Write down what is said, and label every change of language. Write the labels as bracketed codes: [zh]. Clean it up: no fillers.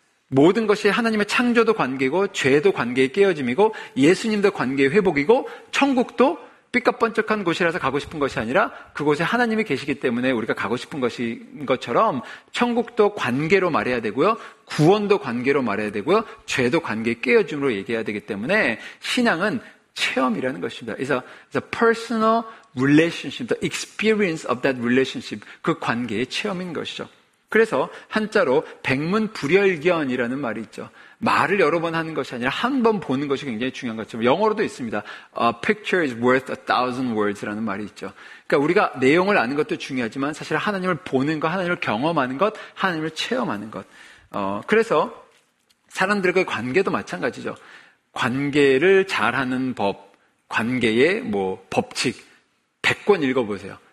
[ko] 모든 것이 하나님의 창조도 관계고 죄도 관계의 깨어짐이고 예수님도 관계의 회복이고 천국도 삐까뻔쩍한 곳이라서 가고 싶은 것이 아니라 그곳에 하나님이 계시기 때문에 우리가 가고 싶은 것인 것처럼 천국도 관계로 말해야 되고요. 구원도 관계로 말해야 되고요. 죄도 관계의 깨어짐으로 얘기해야 되기 때문에 신앙은 체험이라는 것입니다. 그래서 [en] personal relationship, the experience of that relationship, [ko] 그 관계의 체험인 것이죠. 그래서 한자로 백문불여일견이라는 말이 있죠. 말을 여러 번 하는 것이 아니라 한 번 보는 것이 굉장히 중요한 것처럼 영어로도 있습니다. [en] A picture is worth a thousand words [ko] 라는 말이 있죠. 그러니까 우리가 내용을 아는 것도 중요하지만 사실 하나님을 보는 것, 하나님을 경험하는 것, 하나님을 체험하는 것. 그래서 사람들과의 관계도 마찬가지죠. 관계를 잘하는 법, 관계의 뭐 법칙, 100권 읽어보세요.